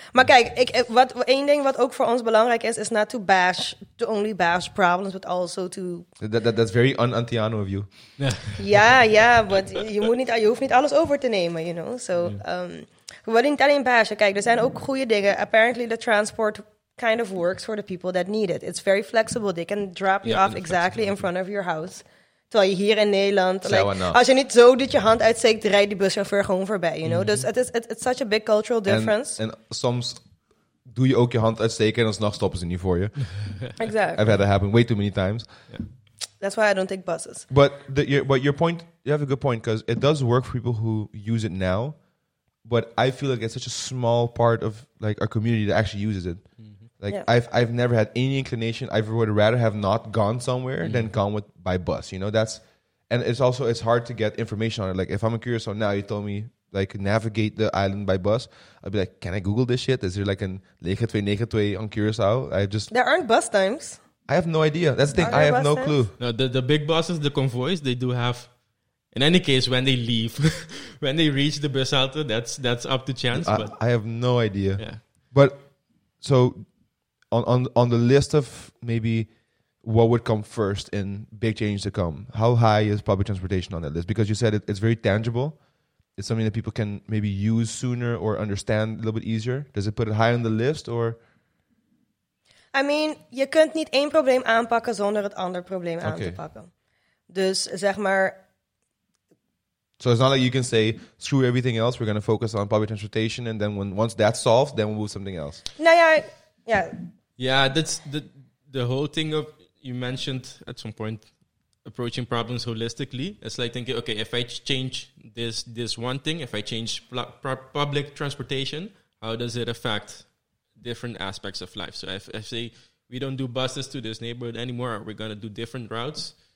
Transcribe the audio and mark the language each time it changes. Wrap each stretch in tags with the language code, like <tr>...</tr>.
<nl>Maar kijk, één ding wat ook voor ons belangrijk is</nl> <en>not to bash, to only bash problems, but also to... That's very un-Antiano of you. Yeah, but</en> <nl>je hoeft niet alles over te nemen,</nl> <en>you know?</en> <nl>So, we willen niet alleen bashen. Kijk, er zijn ook goede dingen.</nl> <en>Apparently, the transport kind of works for the people that need it. It's very flexible. They can drop you off exactly in front of your house.</en> <nl>Terwijl je hier in Nederland, als je niet zo doet je hand uitsteekt, rijdt die buschauffeur gewoon voorbij.</nl> <en>You know?</en> <nl>Dus</nl> <en>it's such a big cultural difference.</en> <nl>En soms doe je ook je hand uitsteken en alsnog stoppen ze niet voor je.</nl> <en>Exactly. I've had that happen way too many times. Yeah. That's why I don't take buses. But your point, you have a good point, because it does work for people who use it now. But I feel like it's such a small part of our community that actually uses it. I've never had any inclination. I would rather have not gone somewhere than gone by bus. You know, that's, and it's also, it's hard to get information on it. Like, if I'm curious, so now you told me, navigate the island by bus, I'd be like, can I Google this shit? Is there an 9292 on Curaçao? There aren't bus times. I have no idea. That's the thing. I have no clue. No, the big buses, the convoys, they do have. In any case, when they leave, when they reach the bus shelter, that's up to chance. I have no idea. Yeah. But so on the list of maybe what would come first in big change to come, how high is public transportation on that list? Because you said it's very tangible. It's something that people can maybe use sooner or understand a little bit easier. Does it put it high on the list or? I mean, you</en> <nl>kunt niet één probleem aanpakken zonder het andere probleem aan te pakken. Dus zeg maar,</nl> <en>So it's not like you can say, screw everything else, we're going to focus on public transportation, and then once that's solved, then we'll move something else. No, yeah. Yeah, that's the whole thing of, you mentioned at some point, approaching problems holistically. It's like thinking, okay, if I change this one thing, if I change public transportation, how does it affect different aspects of life? So if say we don't do buses to this neighborhood anymore, we're going to do different routes.</en>